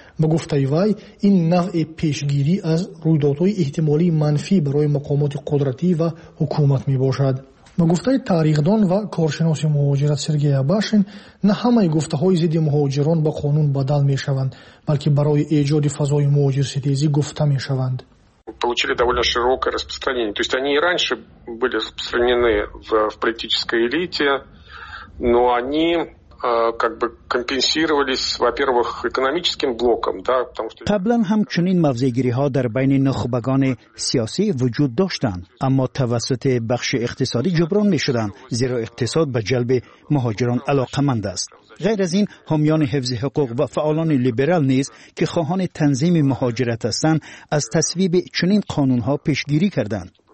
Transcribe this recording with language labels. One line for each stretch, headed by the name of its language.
Tajik: Ба гуфтаи вай, ин навъи пешгирӣ аз рӯйдодҳои эҳтимолии манфӣ барои мақомоти қудратӣ ва ҳукумат мебошад. Ба гуфтаи таърихдон ва коршиноси муҳоҷират Сергей Абашин, на ҳамаи гуфтаҳои зидди муҳоҷирон ба қонун бадал мешаванд, балки барои эҷоди фазои муҳоҷирситезӣ гуфта мешаванд.
Russian: Получили довольно широкое распространение. То есть они и раньше были распространены в политической элите, но они компенсировались, во-первых, экономическим блоком, да, потому что
Tajik: Таблан ҳамчунин мавзегириҳо дар байни нухбагони сиёсӣ вуҷуд доштанд, аммо тавассути бахши иқтисодӣ ҷуброн мешуданд, зеро иқтисод ба ҷалби муҳоҷирон алоқаманд аст.
Persian: غیر از این حامیان حفظ حقوق و فعالان لیبرال نیز که خواهان تنظیم مهاجرت هستند از تصویب چنین قانونها پیشگیری کردند.